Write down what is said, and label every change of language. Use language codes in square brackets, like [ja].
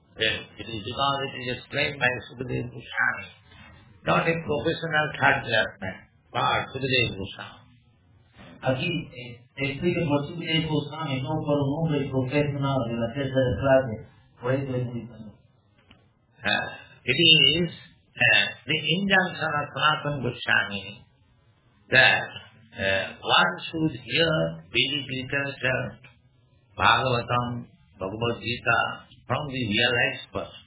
[en] It is because it is explained by Sukadeva Goswami. Not a professional third class man, but Sukadeva Goswami. [es] Aquí explica por Sukadeva Goswami, no por un hombre profesional de la tercera clase, por eso es muy bueno. [en] It is the injunction of Sanatana Goswami that one should hear Vedic literature, Bhagavatam, Bhagavad Gita, from the real